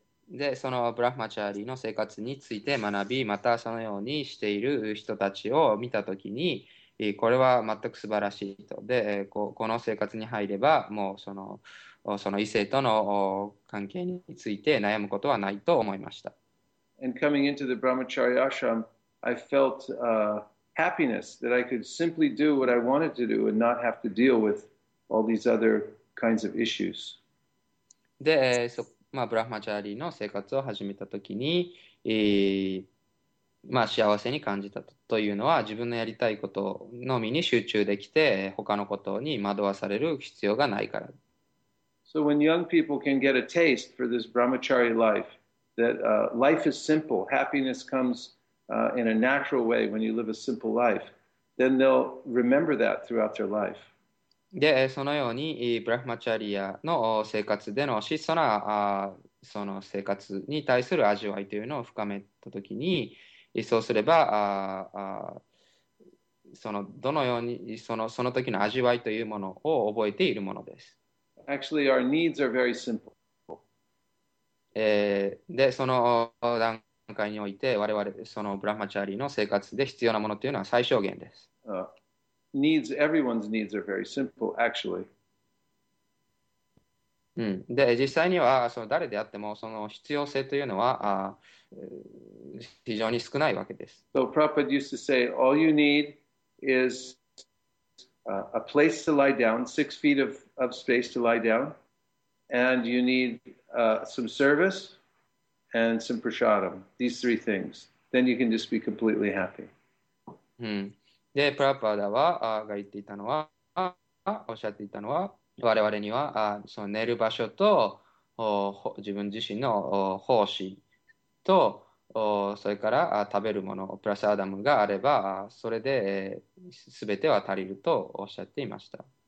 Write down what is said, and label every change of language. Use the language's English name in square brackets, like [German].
[Japanese] で、そのブラフマチャーリーの生活について学び、またそのようにしている人たちを見たときに、これは全く素晴らしいと。で、この生活に入れば、もうその異性との関係について悩むことはないと思いました。 [English] And coming into the Brahmachari ashram, I felt happiness that I could simply do what I wanted to do and not have to deal with all these other kinds of issues. [Japanese] で、まあ、ブラフマチャーリーの生活を始めたときに、まあ、幸せに感じたというのは、自分のやりたいことのみに集中できて、他のことに惑わされる必要がないから。 [English] So when young people can get a taste for this Brahmachari life, that life is simple, happiness comes in a natural way when you live a simple life, then they'll remember that throughout their life. [Japanese] で、そのように、ブラフマチャリアの生活での質素な、その生活に対する味わいというのを深めたときに、そうすれば、どのように、その時の味わいというものを覚えているものです。 [English] Actually, our needs are very simple. [Japanese] で、その段階において、我々、そのブラフマチャリの生活で必要なものというのは最小限です。 [English] Everyone's needs are very simple, actually. [Japanese] で、実際にはその誰であってもその必要性というのは非常に少ないわけです。 [English] So Prabhupada used to say, all you need is a place to lie down, 6 feet of space to lie down, and you need some service and some prasadam, these three things. Then you can just be completely happy. [Japanese] で、プラパダはが言っていたのは、おっしゃっていたのは、我々には、その寝る場所と、自分自身の奉仕と、それから食べるもの、プラスアダムがあれば、それで、すべては足りるとおっしゃっていました。